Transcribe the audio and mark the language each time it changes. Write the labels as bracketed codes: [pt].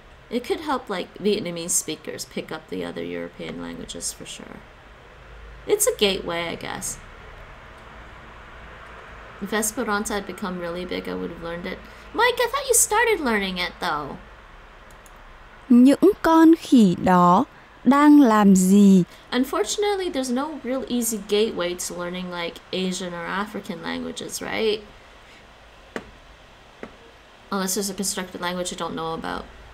[en] It could help, like, Vietnamese speakers pick up the other European languages for sure. It's a gateway, I guess. If Esperanto had become really big, I would have learned it. Mike, I thought you started learning it, though. [vi] Những con khỉ đó đang làm gì? [en] Unfortunately, there's no real easy gateway to learning, like, Asian or African languages, right? Unless there's a constructed language you don't know about.